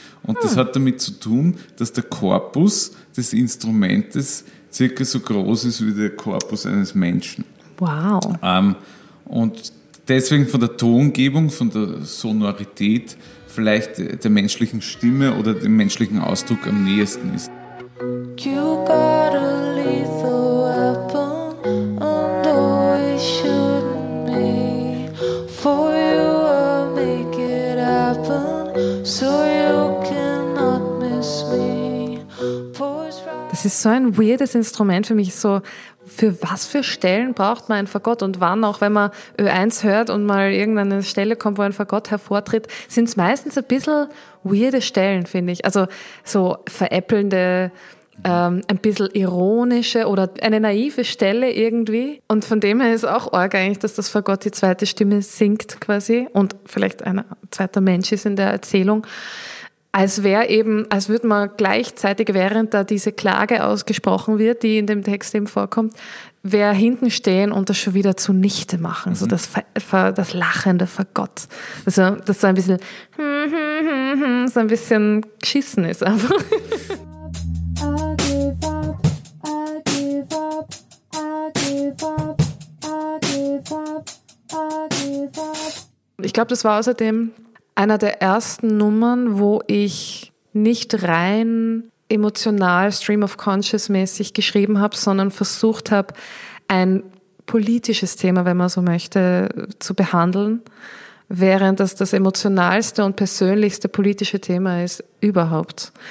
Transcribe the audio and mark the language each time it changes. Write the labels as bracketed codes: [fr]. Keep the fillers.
[de] Und das hat damit zu tun, dass der Korpus des Instrumentes circa so groß ist wie der Korpus eines Menschen. Wow. Ähm, und deswegen von der Tongebung, von der Sonorität vielleicht äh, der menschlichen Stimme oder dem menschlichen Ausdruck am nähesten ist. [en] You got a lethal weapon, and though it shouldn't be, for you I'll make it happen, so you cannot miss me. Pause right [de] Das ist so ein weirdes Instrument für mich. So, für was für Stellen braucht man ein Fagott und wann auch, wenn man Ö1 hört und mal irgendeine Stelle kommt, wo ein Fagott hervortritt, sind es meistens ein bisschen weirde Stellen, finde ich. Also so veräppelnde, ähm, ein bisschen ironische oder eine naive Stelle irgendwie. Und von dem her ist auch arg eigentlich, dass das Fagott die zweite Stimme singt quasi und vielleicht ein zweiter Mensch ist in der Erzählung als wäre eben, als würde man gleichzeitig, während da diese Klage ausgesprochen wird, die in dem Text eben vorkommt, wer hinten stehen und das schon wieder zunichte machen. So das, Ver- Ver- das lachende Vergott. Also das so ein bisschen mhm, so ein bisschen geschissen ist einfach. [en] I give up, I give up, I give up, I give up, I give up. [de] Ich glaube, das war außerdem einer der ersten Nummern, wo ich nicht rein emotional, Stream of Conscious mäßig geschrieben habe, sondern versucht habe, ein politisches Thema, wenn man so möchte, zu behandeln, während das das emotionalste und persönlichste politische Thema ist überhaupt.